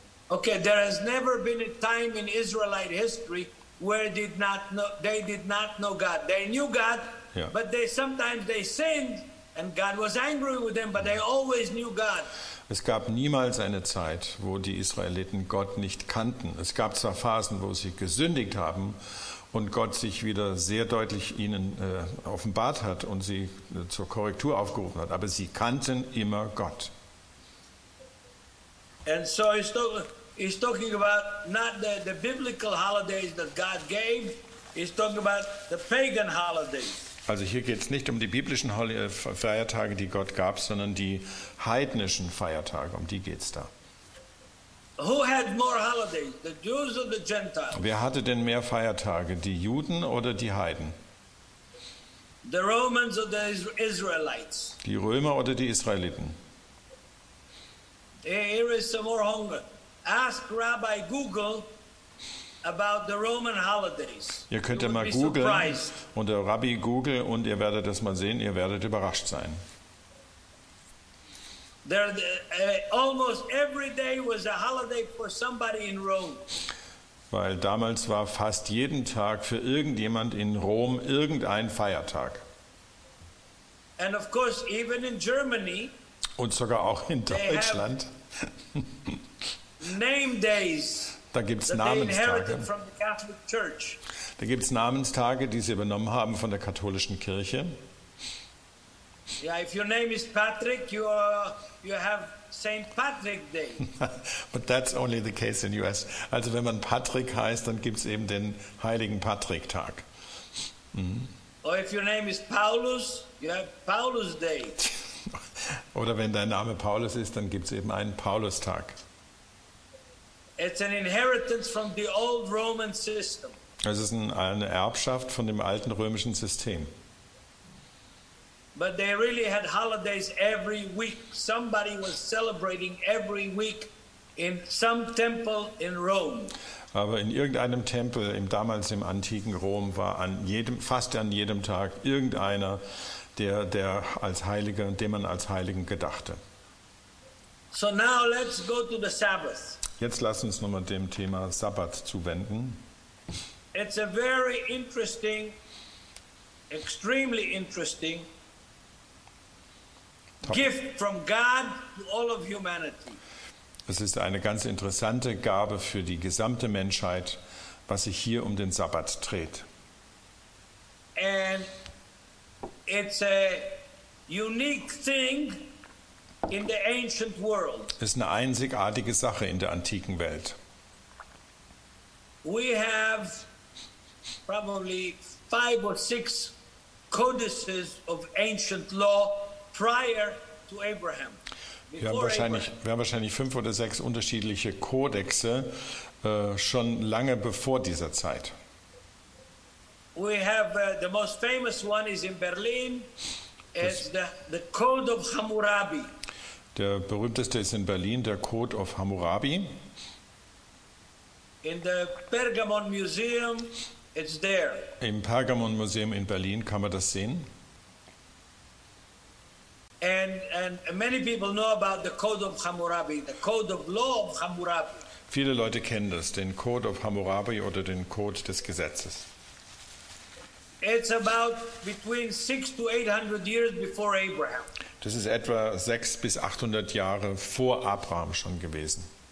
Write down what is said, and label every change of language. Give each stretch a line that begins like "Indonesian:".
English: Okay, there has never been a time in Israelite history where they did not know God. They knew God, but they sometimes they sinned, And God was angry with them, but they always knew God.
German: Es gab niemals eine Zeit, wo die Israeliten Gott nicht kannten. Es gab zwar Phasen, wo sie gesündigt haben und Gott sich wieder sehr deutlich ihnen offenbart hat und sie zur Korrektur aufgerufen hat, aber sie kannten immer Gott.
English: And so he's talking about not the biblical holidays that God gave, he's talking about the pagan holidays.
German: Also hier geht es nicht um die biblischen Feiertage, die Gott gab, sondern die heidnischen Feiertage, um die geht es da.
English: Who had more holidays, the Jews or the Gentiles?
German: Wer hatte denn mehr Feiertage, die Juden oder die Heiden?
English: The Romans or the Israelites?
German: Die Römer oder die Israeliten?
English: Here is some more hunger. Ask Rabbi Google about the Roman holidays.
German: Ihr könnt ja mal googeln unter Rabbi Google und ihr werdet das mal sehen, ihr werdet überrascht sein.
English: There, almost every day was a holiday for somebody in Rome.
German: Weil damals war fast jeden Tag für irgendjemand in Rom irgendein Feiertag.
English: And of course even in Germany.
German: Und sogar auch in Deutschland.
English: Name days.
German: Da gibt es Namenstage. Da gibt es Namenstage, die sie übernommen haben von der katholischen Kirche.
English: Ja, if your name is Patrick, you have St. Patrick Day. But that's only the case in US.
German: Also wenn man Patrick heißt, dann gibt es eben den heiligen Patrick-Tag.
English: Mhm. Or if your name is Paulus, you have Paulus Day.
German: Oder wenn dein Name Paulus ist, dann gibt es eben einen Paulustag.
English: It's an inheritance from the old Roman system.
German: Es ist eine Erbschaft von dem alten römischen System.
English: But they really had holidays every week. Somebody was celebrating every week in some temple in Rome.
German: Aber in irgendeinem Tempel im antiken Rom war fast an jedem Tag irgendeiner, der als Heiliger, dem man als Heiligen gedachte.
English: So now let's go to the Sabbath.
German: Jetzt lass uns nochmal dem Thema Sabbat zuwenden.
English: It's a very interesting, extremely interesting gift from God to all of humanity.
German: Es ist eine ganz interessante Gabe für die gesamte Menschheit, was sich hier um den Sabbat dreht.
English: And it's a unique thing in the ancient world.
German: Es ist eine einzigartige Sache in der antiken Welt.
English: We have probably 5 or 6 codices of ancient law prior to Abraham.
German: Wir haben wahrscheinlich 5 oder 6 unterschiedliche Kodexe schon lange bevor dieser Zeit.
English: We have the most famous one is in Berlin. It's the Code of Hammurabi.
German: Der berühmteste ist in Berlin, der Code of Hammurabi.
English: In the Pergamon Museum, it's there.
German: Im Pergamon Museum in Berlin kann man das sehen.
English: And many people know about the Code of Hammurabi, the Code of Law of Hammurabi.
German: Viele Leute kennen das, den Code of Hammurabi oder den Code des Gesetzes.
English: It's about between 600 to 800 years before Abraham.
German: Das ist etwa 600 bis 800 Jahre vor Abraham schon gewesen.